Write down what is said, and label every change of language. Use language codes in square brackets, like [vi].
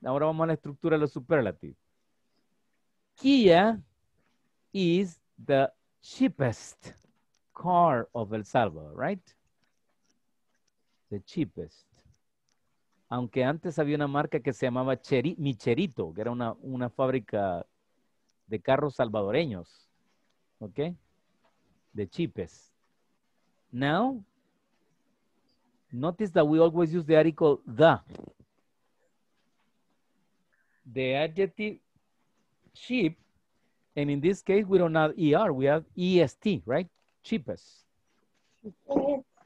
[es] Ahora vamos a la estructura de los superlative. [en] Kia is the cheapest car of El Salvador, right? The cheapest. [es] Aunque antes había una marca que se llamaba Micherito, que era una fábrica de carros salvadoreños. [en] Okay? The cheapest. Now, notice that we always use the article the. The adjective cheap, and in this case, we don't have ER, we have EST, right? Cheapest. No.